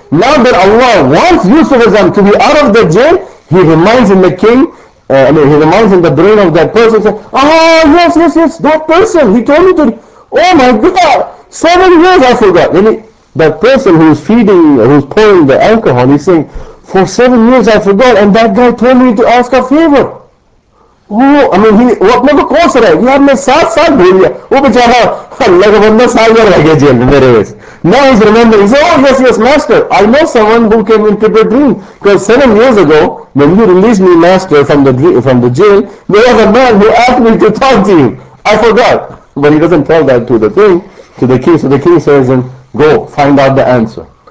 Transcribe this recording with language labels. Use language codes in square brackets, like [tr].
[en] Now that Allah wants Yusuf Islam to be out of the jail, he reminds him the king, he reminds him the brain of that person, says, yes, that person, he told me to, oh my God, 7 years I forgot. Then that person who's feeding, who's pouring the alcohol, he's saying, for 7 years I forgot, and that guy told me to ask a favor. [hi] वो अपने को कोस रहा है, यार मैं सात साल भूल गया, वो बेचारा अल्लाह का बंदा साल भर रह गया जेल मेरे वजह से. [en] Now he's remembering, he said, oh yes, yes, master, I know someone who can interpret dream. Because 7 years ago, when you released me, master, from the jail, there was a man who asked me to talk to you. I forgot. But he doesn't tell that to the thing, to the king. So the king says, and go, find out the answer.